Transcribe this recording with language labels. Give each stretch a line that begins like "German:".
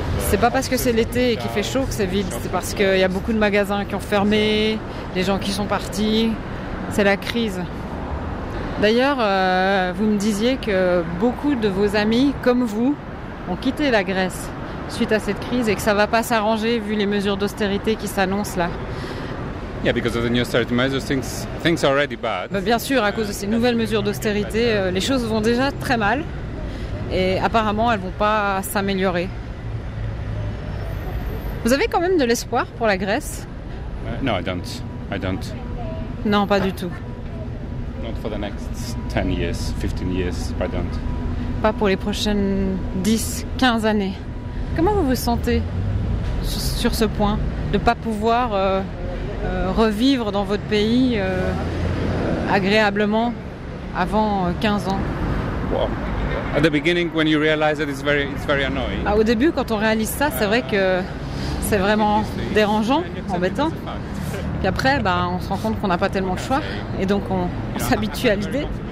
French: C'est pas parce que c'est l'été et qu'il fait chaud que c'est vide. C'est parce qu'il y a beaucoup de magasins qui ont fermé, des gens qui sont partis. C'est la crise. D'ailleurs, vous me disiez que beaucoup de vos amis, comme vous, ont quitté la Grèce suite à cette crise et que ça ne va pas s'arranger vu les mesures d'austérité qui s'annoncent là.
English: Yeah, because of the new austerity measures, things are already bad.
French: Mais bien sûr, à cause de ces nouvelles mesures d'austérité, les choses vont déjà très mal et apparemment elles ne vont pas s'améliorer. Vous avez quand même de l'espoir pour la Grèce?
English: No, I don't.
French: Non, pas du tout.
English: Not for the next 10 years, 15 years, I don't.
French: Pas pour les prochaines 10, 15 années. Comment vous vous sentez sur ce point de ne pas pouvoir revivre dans votre pays agréablement avant 15 ans?
English: Well, at the beginning, when you realize that it's very annoying.
French: Ah, au début, quand on réalise ça, c'est vrai que c'est vraiment dérangeant, embêtant. Puis après, bah, on se rend compte qu'on n'a pas tellement le choix et donc on s'habitue à l'idée.